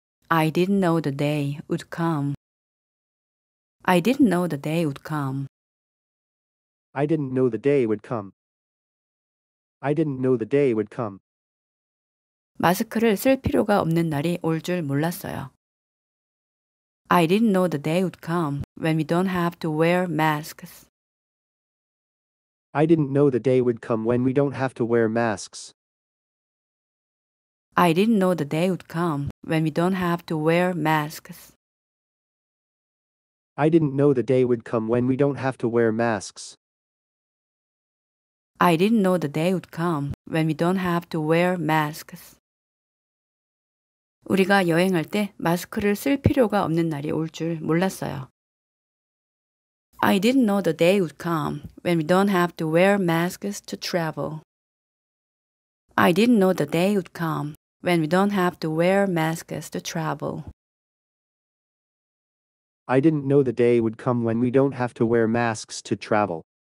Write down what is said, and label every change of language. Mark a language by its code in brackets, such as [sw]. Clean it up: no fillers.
[en] I didn't know the day would come. I didn't know the day would come. I didn't know the day would come. I didn't know the day would come. [ko] 마스크를 쓸 필요가 없는 날이 올 줄 몰랐어요. [en] I didn't know the day would come when we don't have to wear masks. I didn't know the day would come when we don't have to wear masks. I didn't know the day would come when we don't have to wear masks. I didn't know the day would come when we don't have to wear masks. I didn't know the day would come when we don't have to wear masks. [ko] 우리가 여행할 때 마스크를 쓸 필요가 없는 날이 올 줄 몰랐어요. [en] I didn't know the day would come when we don't have to wear masks to travel. I didn't know the day would come when we don't have to wear masks to travel. I didn't know the day would come when we don't have to wear masks to travel.